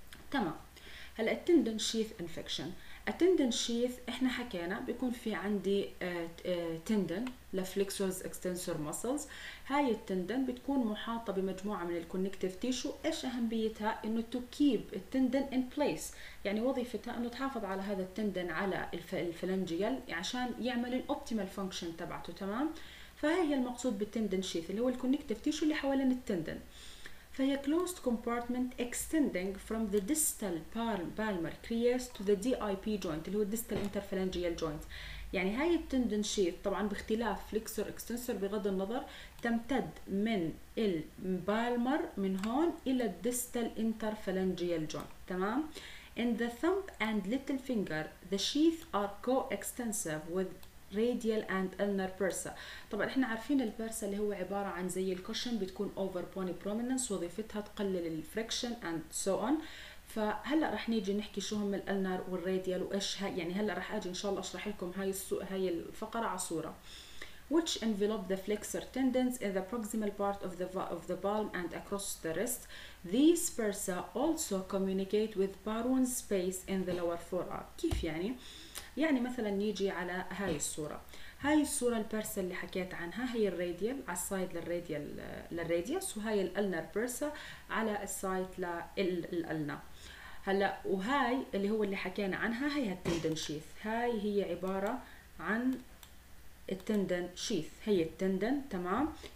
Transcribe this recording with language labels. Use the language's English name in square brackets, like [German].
[Arabic] تمام. هلا التندن شيث انفكشن، التندن شيث احنا حكينا بيكون في عندي تندن لفليكسورز اكستنسور موسلز، هاي التندن بتكون محاطة بمجموعة من الكونكتيف تيشو. ايش اهميتها؟ انه تو كيب التندن ان بليس، يعني وظيفتها انه تحافظ على هذا التندن على الفلنجيال عشان يعمل الاوبتيمال فانكشن تبعته. تمام. فهي المقصود بالتندن شيث اللي هو الكونكتيف تيشو اللي حوالين التندن. فهي [English] closed compartment extending from the distal palmar crease to the DIP joint [Arabic] اللي هو [English] distal interphalangeal joint. [Arabic] يعني هاي التندن شيث طبعا باختلاف flexor extensor بغض النظر تمتد من البالمر من هون الى [English] distal interphalangeal joint. [Arabic] تمام. [English] In the thumb and little finger the sheath are co-extensive with radial and ulnar bursa. [Arabic] طبعا احنا عارفين البيرسا اللي هو عبارة عن زي الكوشن بتكون [English] over bony prominence [Arabic] وظيفتها تقلل الفريكشن [English] and so on. [Arabic] فهلا رح نيجي نحكي شو هم الالنار والراديال وايش هاي، يعني هلا رح اجي ان شاء الله اشرح لكم هاي الفقرة على صورة. [English] Which envelop the flexor tendons in the proximal part of the palm and across the wrist. These bursa also communicate with baron space in the lower forearm. [Arabic] كيف يعني؟ يعني مثلا نيجي على هاي الصورة، هاي الصورة البرسا اللي حكيت عنها هي الراديال على السايد للراديال للراديوس، وهاي الالنر برسا على السايد للالنا. هلا وهاي اللي هو اللي حكينا عنها هي التندن شيث، هاي هي عبارة عن التندن شيث، هي التندن. تمام.